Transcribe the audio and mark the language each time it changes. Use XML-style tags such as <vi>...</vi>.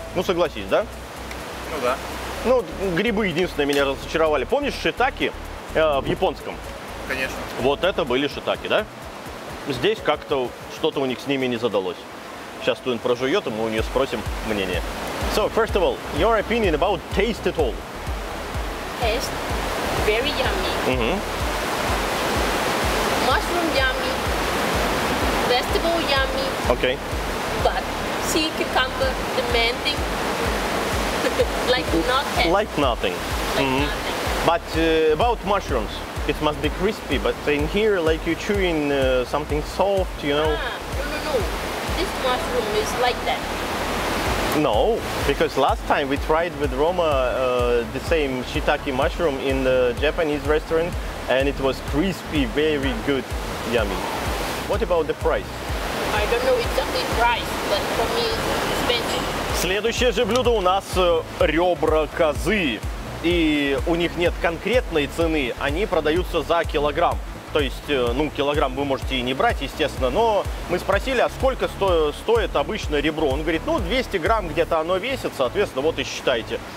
<ru>Ну, согласись, да? Ну, да. Ну, грибы единственное меня разочаровали. Помнишь шиитаки в японском? Конечно. Вот это были шиитаки, да? Здесь как-то что-то у них с ними не задалось. Сейчас Туин прожует, и мы у нее спросим мнение.</ru> <en>So, first of all, your opinion about taste at all? Taste very yummy. Mm-hmm. Mushroom yummy. Vegetable yummy. Okay. But sea cucumber demanding like nothing. But about mushrooms, it must be crispy. But in here, like you're chewing something soft, you know. No. This mushroom is like that. No, because last time we tried with Roma the same shiitake mushroom in the Japanese restaurant and it was crispy, very good, yummy. What about the price? I don't know exactly price, but for me it's expensive.</en> <ru>Следующее же блюдо у нас ребра козы. И у них нет конкретной цены, они продаются за килограмм. То есть, ну, килограмм вы можете и не брать, естественно, но мы спросили, а сколько стоит обычно ребро? Он говорит, ну, 200 грамм где-то оно весит, соответственно, вот и считайте.</ru>